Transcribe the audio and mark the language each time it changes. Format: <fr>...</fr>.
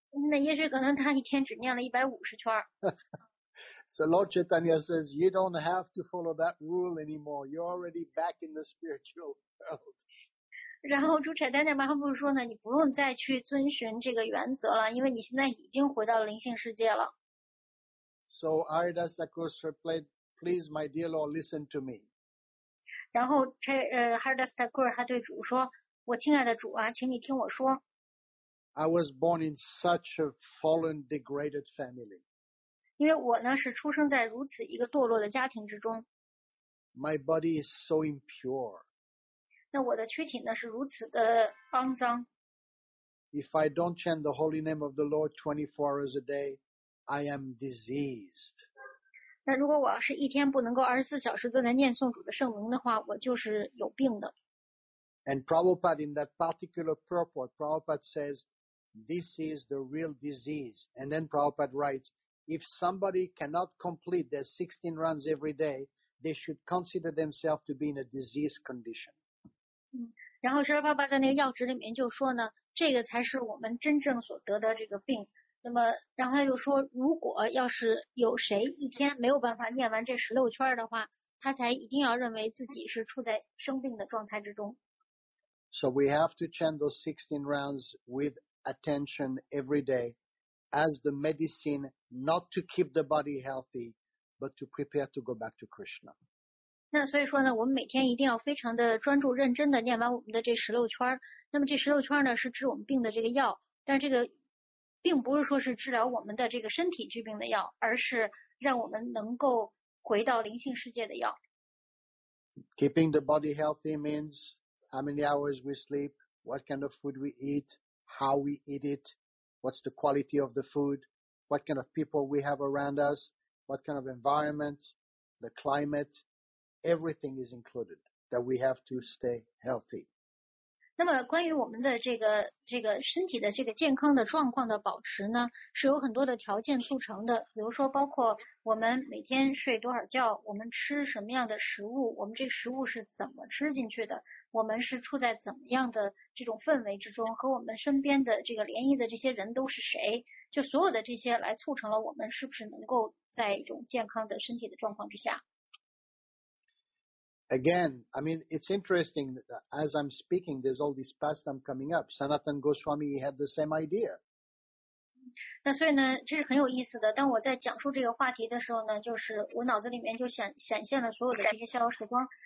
<zh>那也许可能他一天只念了150圈。</zh> <en>So Lord Chaitanya says, you don't have to follow that rule anymore. You're already back in the spiritual world.</en> <zh>然后朱彩丹在马哈布说呢，你不用再去遵循这个原则了，因为你现在已经回到了灵性世界了。</zh> <en>So Aridas Thakur replied, "Please, my dear Lord, listen to me."</en> <zh>然后Aridas Thakur 他对主说，我亲爱的主啊，请你听我说。</zh> <en>I was born in such a fallen, degraded family.</en> <zh>因为我呢是出生在如此一个堕落的家庭之中。</zh> <en>My body is so impure.</en> <zh>那我的躯体呢是如此的肮脏。</zh> <en>If I don't chant the holy name of the Lord 24 hours a day, I am diseased.</en> <zh>那如果我要是一天不能够24小时都在念诵主的圣名的话，我就是有病的。</zh> <en>And Prabhupada, in that particular purport, Prabhupada says, this is the real disease. And then Prabhupada writes, if somebody cannot complete their 16 runs every day, they should consider themselves to be in a disease condition.</en> <zh>然后Srila Prabhupada在那个要旨里面就说呢，这个才是我们真正所得的这个病。那么然后他又说，如果要是有谁一天没有办法念完这16圈的话，他才一定要认为自己是处在生病的状态之中。</zh> <en>So we have to chant those 16 rounds with attention every day as the medicine not to keep the body healthy, but to prepare to go back to Krishna.</en> <zh>那所以说呢，我们每天一定要非常的专注认真的念完我们的这16圈。那么这16圈呢是治我们病的这个药，但这个并不是说是治疗我们的这个身体疾病的药，而是让我们能够回到灵性世界的药。</zh> <en>Keeping the body healthy means... How many hours we sleep, what kind of food we eat, how we eat it, what's the quality of the food, what kind of people we have around us, what kind of environment, the climate, everything is included, that we have to stay healthy.</en> <zh>那么关于我们的这个身体的这个健康的状况的保持呢，是有很多的条件促成的，比如说包括我们每天睡多少觉，我们吃什么样的食物，我们这个食物是怎么吃进去的，我们是处在怎么样的这种氛围之中，和我们身边的这个联谊的这些人都是谁，就所有的这些来促成了我们是不是能够在一种健康的身体的状况之下。</zh> <en>Again, I mean, it's interesting that as I'm speaking, there's all this pastime coming up. Sanatan Goswami had the same idea.</en> <zh>那所以呢，这是很有意思的。当我在讲述这个话题的时候呢，就是我脑子里面就显现了所有的这些逍遥时光。</zh>